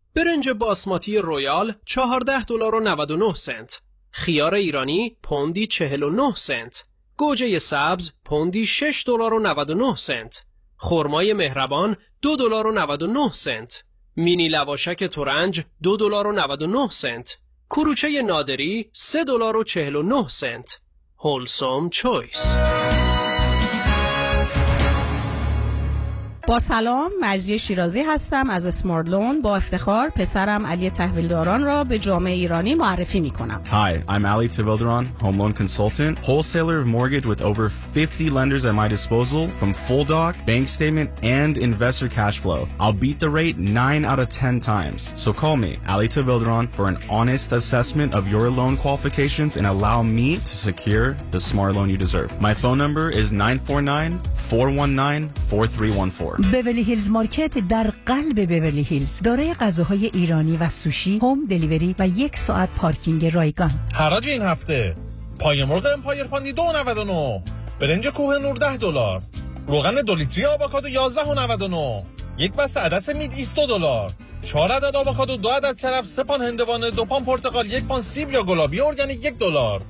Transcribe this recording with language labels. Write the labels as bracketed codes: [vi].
[fa] برنج باسماتی رویال $14.99، خیار ایرانی £0.49، گوجه سبز £6.99، خرمای مهربان $2.99، مینی لواشک ترنج $2.99، کروچه نادری $3.49. هولسام چویس. با سلام، مرضی شیرازی هستم از اسمارت لون. با افتخار پسرم علی تحویلداران را به جامعه ایرانی معرفی میکنم. [en] Hi, I'm Ali Tahvildaran, home loan consultant, wholesaler of mortgage with over 50 lenders at my disposal from full doc, bank statement and investor cash flow. I'll beat the rate 9 out of 10 times. So call me, Ali Tahvildaran, for an honest assessment of your loan qualifications and allow me to secure the smart loan you deserve. My phone number is 949-419-4314. [fa] بیورلی هیلز مارکت در قلب بیورلی هیلز، دارای غذاهای ایرانی و سوشی، هوم دلیوری و یک ساعت پارکینگ رایگان. حراج این هفته پای مرغ امپایر پانی $2.99، برنج کوه نور $10، روغن 2 لیتری آووکادو $11.99، یک بسته عدس مید ایست $2، 4 عدد آووکادو، 2 عدد کرفس، 3 پان هندوانه، 2 پان پرتقال، 1 پان سیب یا گلابی ارگانیک $1.